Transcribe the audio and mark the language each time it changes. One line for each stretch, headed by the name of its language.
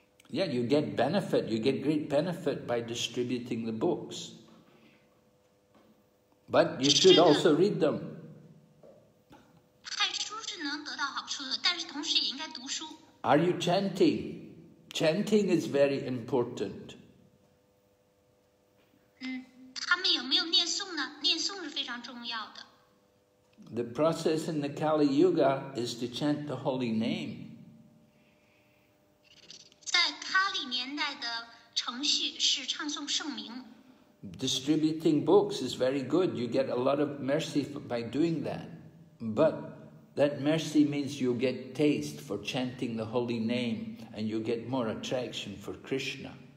English: Yeah, you get benefit, you get great benefit by distributing the books. But you should also read them.
Chinese: 派书是能得到好处的,但是同时也应该读书。
English: Are you chanting? Chanting is very important.
Chinese: 他们有没有念诵呢?念诵是非常重要的。
English: The process in the Kali Yuga is to chant the holy name.
Chinese: 在Kali年代的程序是唱诵圣名。
English: Distributing books is very good. You get a lot of mercy by doing that. But that mercy means you get taste for chanting the holy name and you get more attraction for Krishna.